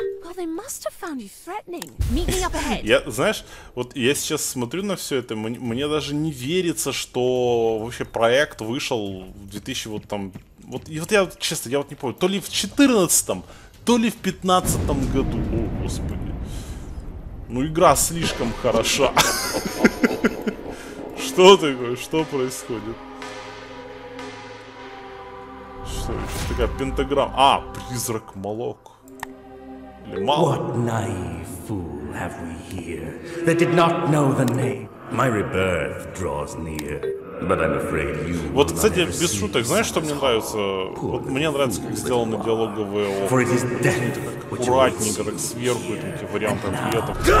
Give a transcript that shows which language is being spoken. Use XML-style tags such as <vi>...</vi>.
<en>Well, they must have found you threatening. Meet me up ahead.</en> <ru>Я, знаешь, вот я сейчас смотрю на все это, мне даже не верится, что вообще проект вышел в 2000 вот там. Вот и вот я честно, я вот не помню, то ли в 14-м, то ли в 15-м году. О, господи. Ну, игра слишком хороша. Что такое? Что происходит? Что это такая пентаграмма? А, призрак Малок. Или Малок.</ru> <en>What naive fool have we here that did not know the name? My rebirth draws near. But I'm afraid you will.</en> <ru>Вот, кстати, без шуток, знаешь, что мне нравится? Вот мне нравится, как сделаны диалоговые опыты. Аккуратненько, так сверху эти варианты ответов.</ru>